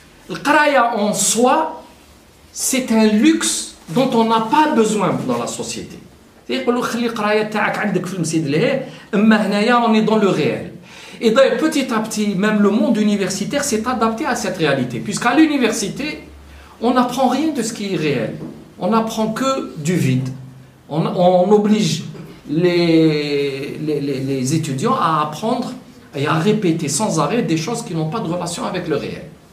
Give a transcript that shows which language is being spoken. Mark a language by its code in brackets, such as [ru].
[ar] القرايه [fr] en soi, c'est un luxe dont on n'a pas besoin dans la société. [ar] يقول له خلي القرايه تاعك عندك في المسجد لهي, اما هنايا [fr] on est dans le réel. Et d'ailleurs, petit à petit, même le monde universitaire s'est adapté à cette réalité. Puisqu'à l'université, on n'apprend rien de ce qui est réel. On n'apprend que du vide. On oblige les étudiants à apprendre et à répéter sans arrêt des choses qui n'ont pas de relation avec le réel.